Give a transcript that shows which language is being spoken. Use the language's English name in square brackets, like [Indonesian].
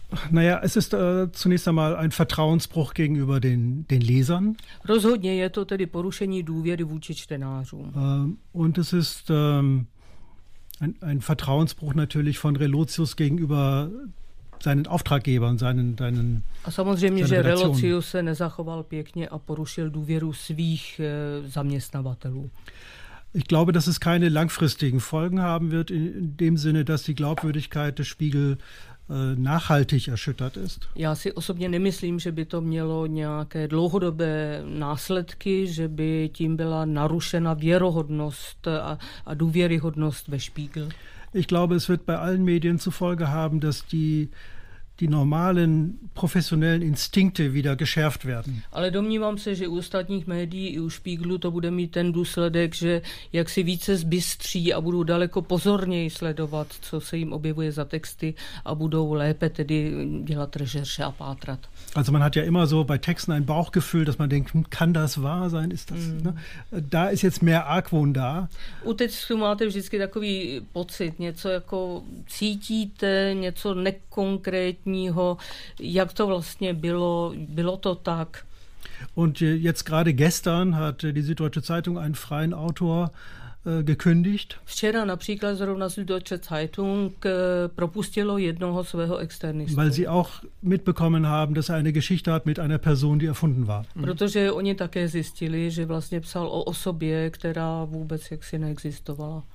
[German] Naja, es ist zunächst einmal ein Vertrauensbruch gegenüber den Lesern. [Czech] Rozhodně je to tedy porušení důvěry vůči čtenářům. [German] Und es ist ein Vertrauensbruch natürlich von Relotius gegenüber seinen Auftraggebern, seinen [Czech] A samozřejmě, že Relotius se nezachoval pěkně a porušil důvěru svých zaměstnavatelů. [German] Ich glaube, dass es keine langfristigen Folgen haben wird in dem Sinne, dass die Glaubwürdigkeit des Spiegel nachhaltig erschüttert ist. [Czech] Já si osobně nemyslím, že by to mělo nějaké dlouhodobé následky, že by tím byla narušena věrohodnost a důvěryhodnost ve Spiegel. [German] Ich glaube, es wird bei allen Medien zufolge haben, dass die die normalen professionellen Instinkte wieder geschärft werden. [Czech] Ale domnívám se, že u ostatních médií i u Spiegelu to bude mít ten důsledek, že jaksi více zbystří a budou daleko pozorněji sledovat, co se jim objevuje za texty a budou lépe tedy dělat rešerše a pátrat. [German] Also man hat ja immer so bei Texten ein Bauchgefühl, dass man denkt, kann das wahr sein, ist das, ne? Da ist jetzt mehr Argwohn da. [Czech] U textu máte vždycky takový pocit, něco jako cítíte, něco nekonkrétního, jak to vlastně bylo, bylo to tak. [German] Und jetzt gerade gestern hat die Süddeutsche Zeitung einen freien Autor gekündigt. [Czech] Včera například zrovna Süddeutsche Zeitung propustilo jednoho svého externistu. [German] Weil sie auch mitbekommen haben, dass er eine Geschichte hat mit einer Person, die erfunden war. [Czech] Protože oni také zjistili, že vlastně psal o osobě, která vůbec jaksi neexistovala.